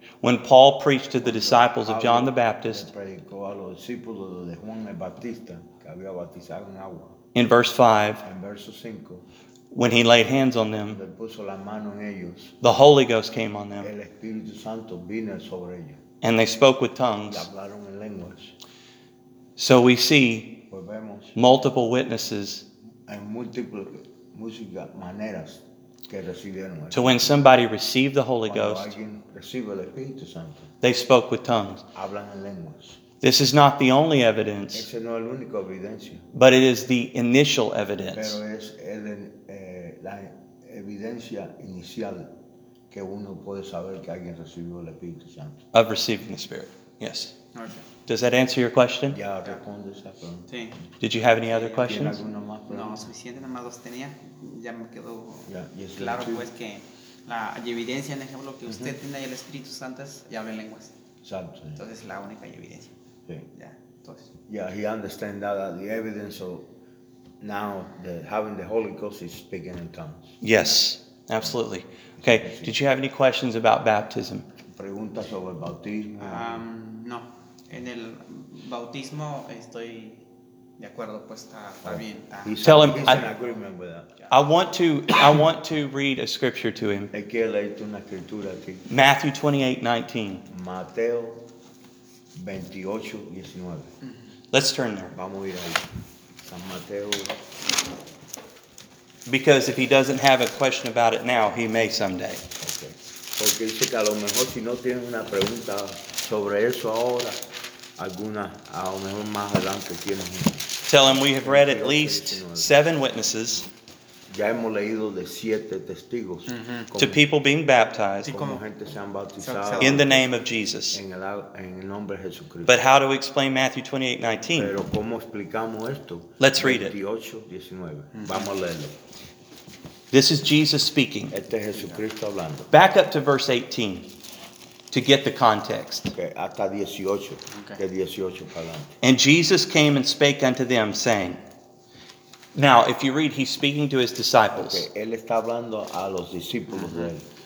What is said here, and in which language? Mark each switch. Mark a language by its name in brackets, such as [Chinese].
[English] when Paul preached to the disciples of John the Baptist, [Spanish] predicó a los discípulos de Juan el Bautista, que había bautizado en agua, [English] in verse 5, [Spanish] en verso 5, [English] when he laid hands on them, [Spanish] le puso la mano en ellos, [English] the Holy Ghost came on them, [Spanish] el Espíritu Santo vino sobre ellos, [English] and they spoke with tongues. [Spanish] Y hablaron en lenguas. [English] So we see, [Spanish] pues vemos, [English] multiple witnesses [Spanish] en múltiples música, maneras que recibieron. [English] To when somebody received the Holy [Spanish] cuando [English] Ghost, [Spanish] alguien recibe el Espíritu Santo, [English] they spoke with tongues. [Spanish] Hablan en lenguas. [English] This is not the only evidence, [Spanish] ese no es la única evidencia, [English] but it is the initial evidence. [Spanish] Pero es la evidencia inicial que uno puede saber que alguien recibió el Espíritu Santo. [English] Of receiving the Spirit, yes. Okay. Does that answer your question? [Spanish] Yeah, respondo esa pregunta. Sí. Did you have any other questions? ¿Tiene alguna más pregunta? No, suficiente, nada más tenía. Ya me quedó claro, pues, que la evidencia, en ejemplo, que usted tiene ahí el Espíritu Santo es y habla en lenguas. Exacto. Sí. Entonces, la única evidencia. Sí. Ya, entonces. [English] Yeah, he understand that the evidence of now the having the Holy Ghost is speaking in tongues. Yes, yeah. Absolutely. Okay, sí. Did you have any questions about baptism? [Spanish] ¿Preguntas sobre el bautismo? No. En el bautismo estoy de acuerdo, pues está bien. [English] Tell him, I want to read a scripture to him. [Spanish] Hay que leer una escritura aquí. [English] Matthew 28:19. [Spanish] Mateo 28:19. [English] Let's turn there. [Spanish] Vamos a ir ahí. San Mateo. [English] Because if he doesn't have a question about it now, he may someday. Okay. [Spanish] Porque dice que a lo mejor si no tiene una pregunta sobre eso ahora, alguna, a lo mejor más adelante tiene. [English] Tell him we have read at least 7 witnesses. [Spanish] Ya hemos leído de 7 testigos. Mm-hmm. [English] To people being baptized. [Spanish] Sí, como gente se han bautizado. [English] In the name of Jesus. [Spanish] En el nombre de Jesucristo. [English] But how do we explain Matthew 28:19? [Spanish] Pero ¿cómo explicamos esto? [English] Let's read it. [Spanish] 28:19. Mm-hmm. Vamos a leerlo. [English] This is Jesus speaking. [Spanish] Este es Jesucristo hablando. [English] Back up to verse 18. To get the context. [Spanish] Okay, hasta 18. Okay. De 18 para adelante. [English] And Jesus came and spake unto them, saying, now, if you read, he's speaking to his disciples. [Spanish] Okay, él está hablando a los discípulos de él.